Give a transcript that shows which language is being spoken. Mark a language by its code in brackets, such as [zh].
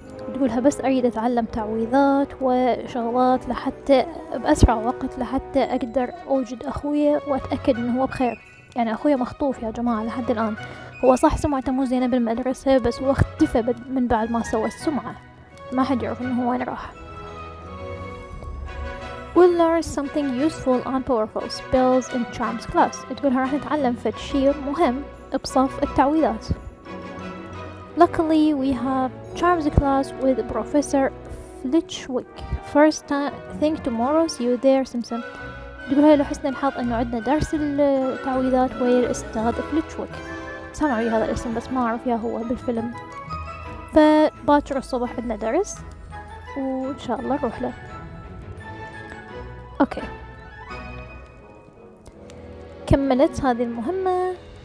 [ar] تقولها بس أريد أتعلم تعويذات وشغلات لحتى بأسرع وقت لحتى أقدر أوجد أخويا وأتأكد إنه هو بخير. يعني أخويا مخطوف يا جماعة لحد الآن. هو صح سمعته مو زينة بالمدرسة بس هو اختفى من بعد ما سوى السمعة. ما حد يعرف إنه وين راح. [en] We'll learn something useful and powerful spells in charms class. [ar] تقولها راح نتعلم فد شيء مهم بصف التعويذات. [en] Luckily, we have charms class with Professor Flitchwick. First time, think tomorrow, see you there, Simpson. [ar] تقولها لحسن الحظ إنه عندنا درس التعويذات ويا الأستاذ Flitchwick. سمعوا هذا الاسم بس ما أعرف يا هو بالفيلم. فباكر الصبح عندنا درس وإن شاء الله نروح له. اوكي كملت هذه المهمة.